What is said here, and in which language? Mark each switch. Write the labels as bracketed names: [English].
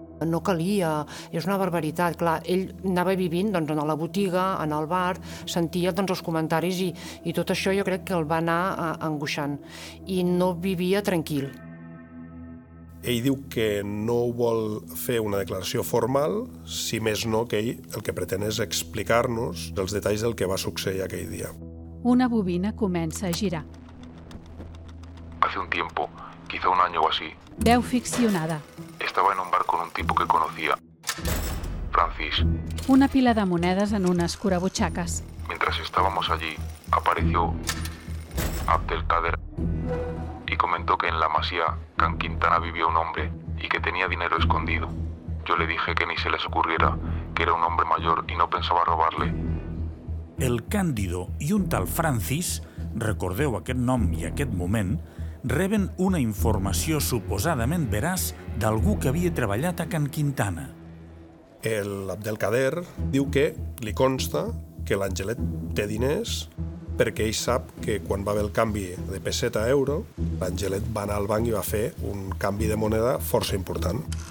[Catalan] No calia, és una barbaritat. Clar, ell anava vivint doncs, a la botiga, en el bar, sentia doncs, els comentaris i tot això jo crec que el va anar angoixant. I no vivia tranquil. Ell diu que no vol fer una declaració formal, si més no que ell el que pretén és explicar-nos els detalls del que va succeir aquell dia. Una bobina comença a girar. [Spanish] Hace un tiempo, quizá un año o así. [Catalan] Veu ficcionada. [Spanish] Estaba en un bar con un tipo que conocía. Francis. [Catalan] Una pila de monedes en unes curabutxaques. [Spanish] Mientras estábamos allí, apareció Abdelkader y comentó que en la Masía Can Quintana vivía un hombre y que tenía dinero escondido. Yo le dije que ni se les ocurriera, que era un hombre mayor y no pensaba robarle. [Catalan] El Cándido i un tal Francis, recordeu aquest nom i aquest moment, reben una informació suposadament veraç d'algú que havia treballat a Can Quintana. El Abdelkader diu que li consta que l'Angelet té diners perquè ell sap que quan va haver el canvi de pesseta a euro, l'Angelet va anar al banc i va fer un canvi de moneda força important.